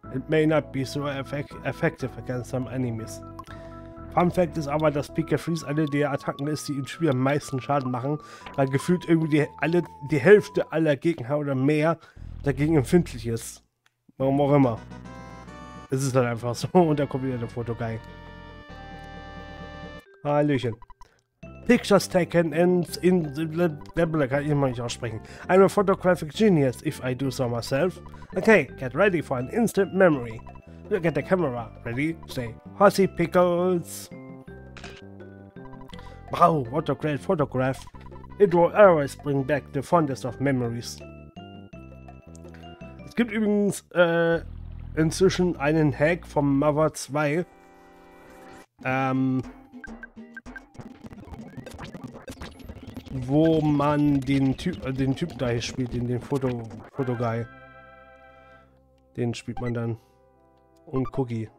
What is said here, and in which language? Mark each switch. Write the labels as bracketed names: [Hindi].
[English] It may not be so effective against some enemies. [German] Fun Fact ist aber, dass Pika Freeze eine der Attacken ist, die im Spiel am meisten Schaden machen, weil gefühlt irgendwie die Hälfte aller Gegner oder mehr dagegen empfindlich ist. Warum auch immer. Es ist halt einfach so und da kommt wieder der Fotoguy. Hallöchen. [English] Pictures taken in the Debla, [German] kann ich immer nicht aussprechen. [English] I'm a photographic genius, if I do so myself. Okay, get ready for an instant memory. Look at the camera. Ready? Say, Hussy Pickles. Wow, what a great photograph. It will always bring back the fondest of memories. [German] Es gibt übrigens inzwischen einen Hack vom Mother 2. Wo man den Typ da hier spielt, den Foto-Guy. Den spielt man dann. Und Cookie.